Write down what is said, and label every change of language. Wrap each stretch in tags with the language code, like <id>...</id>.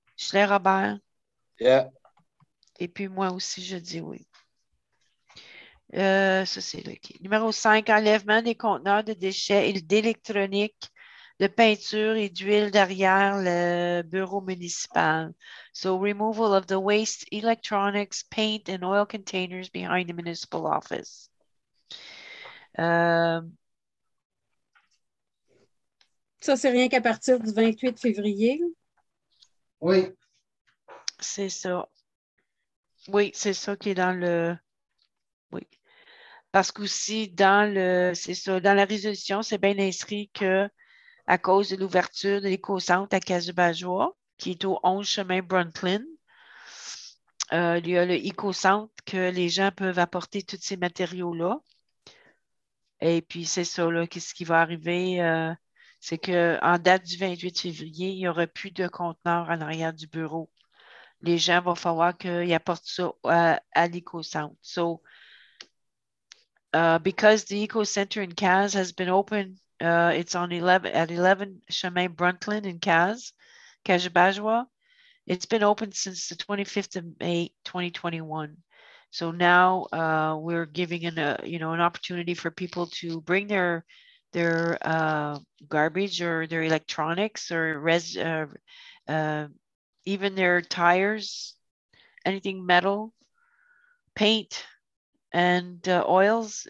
<en>Shelley Robert. Yeah.</en> <fr>Et puis moi aussi, je dis oui. Ça, c'est le qui. Numéro 5, enlèvement des conteneurs de déchets et d'électronique, de peinture et d'huile derrière le bureau municipal.</fr> <en>So, removal of the waste, electronics, paint and oil containers behind the municipal office.</en> <fr>Ça, c'est rien qu'à partir du 28 février. Oui. C'est ça. Oui, c'est ça qui est dans le... Oui. Parce qu'aussi, dans le... C'est ça, dans la résolution, c'est bien inscrit que à cause de l'ouverture de l'éco-centre à Casubajoie, qui est au 11 chemin Brundtland, il y a le éco-centre que les gens peuvent apporter tous ces matériaux-là. Et puis, c'est ça, là, qu'est-ce qui va arriver? C'est qu'en date du 28 février, il n'y aura plus de conteneurs en arrière du bureau. Les gens vont falloir qu'ils apportent ça à l'éco-centre.</fr> <en>So, because the eco-centre in CAS has been open, it's on 11, at 11 Chemin Brundtland in CAS, Cajabajois. It's been open since the 25th of May, 2021. So now we're giving an opportunity for people to bring their garbage or their electronics or even their tires, anything metal, paint, and oils.</en>